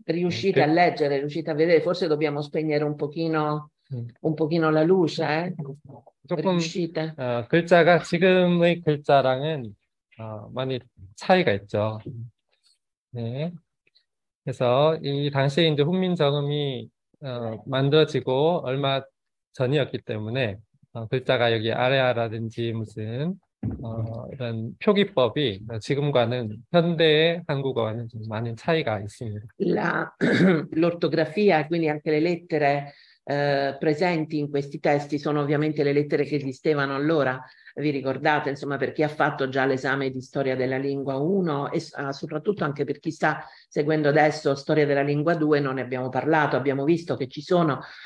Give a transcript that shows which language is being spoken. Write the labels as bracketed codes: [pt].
[it] Riuscite a leggere, riuscite a vedere, forse�obbiamo spegnere un pochino la luce, eh? [ko] 조금 [it] Riuscite? [ko] 글자가 지금의 글자랑은 많이 차이가 있죠. 네, 그래서 이 당시에 이제 훈민정음이 만들어지고 얼마 전이었기 때문에 글자가 여기 아레아라든지 무슨 이런 표기법이 지금과는 현대의 한국어와는 좀 많은 차이가 있습니다. [it] L'ortografia, quindi anche le lettere presenti in questi testi, sono ovviamente le lettere che esistevano allora. Vi ricordate, insomma, per chi ha fatto già l'esame di storia della lingua 1 e soprattutto anche per chi sta seguendo adesso storia della lingua 2, non ne abbiamo parlato, abbiamo visto che ci sono